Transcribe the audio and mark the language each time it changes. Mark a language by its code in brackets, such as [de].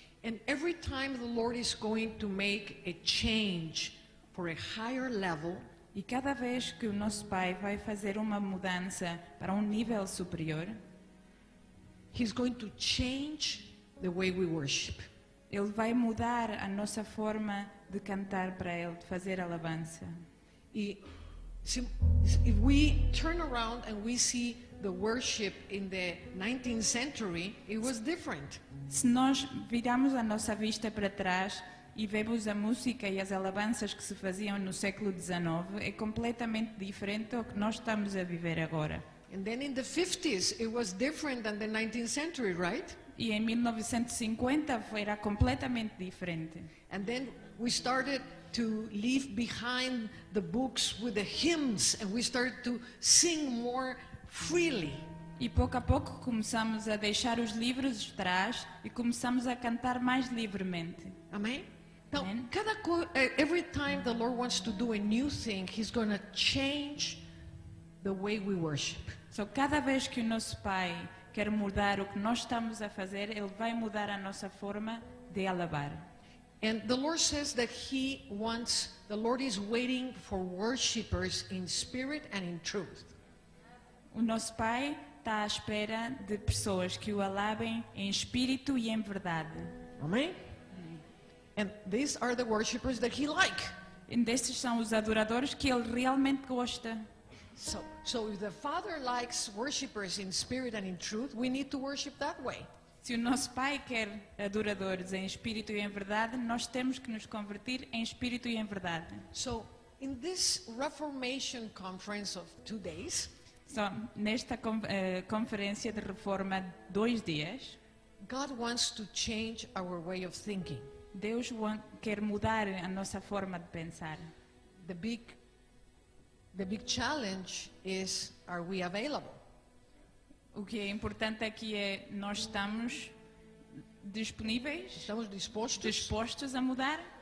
[en] And every time the Lord is going to make a change for a higher level... [pt] E cada vez que o nosso Pai vai fazer uma mudança para nível superior, [en] He's going to change the way we worship. [pt] Ele vai mudar a nossa forma de cantar para Ele, de fazer alabança. [en] E if we turn around and we see the worship in the 19th century, it was different. [pt] Se nós viramos a nossa vista para trás, e vemos a música e as alabanças que se faziam no século XIX, é completamente diferente ao que nós estamos a viver agora. [en] And then in the 50s, it was different than the 19th century, right? [pt] E em 1950 era completamente diferente. [en] And then we started to leave behind the books with the hymns and we started to sing more freely. [pt] E pouco a pouco começamos a deixar os livros de trás e começamos a cantar mais livremente. Amém. [en] Então, every time the Lord wants to do a new thing, He's going to change the way we worship. [pt] So, cada vez que o nosso Pai quer mudar o que nós estamos a fazer, Ele vai mudar a nossa forma de alabar. [en] And the Lord says that He wants, the Lord is waiting for worshipers in spirit and in truth. [pt] O nosso Pai está à espera de pessoas que o alabem em espírito e em verdade. Amém? [en] And these are the worshipers that he like. [pt] E destes são os adoradores que ele realmente gosta. [en] So if the Father likes worshipers in spirit and in truth, we need to worship that way. [pt] Se o nosso Pai quer adoradores em espírito e em verdade, nós temos que nos convertir em espírito e em verdade. [en] So in this Reformation conference of 2 days, [pt] so nesta conferência de reforma de 2 dias, [en] God wants to change our way of thinking. [pt] Deus quer mudar a nossa forma de pensar. [en] The big challenge is, are we available? [pt] O que é importante aqui é, nós estamos disponíveis? Estamos dispostos? Dispostos a mudar?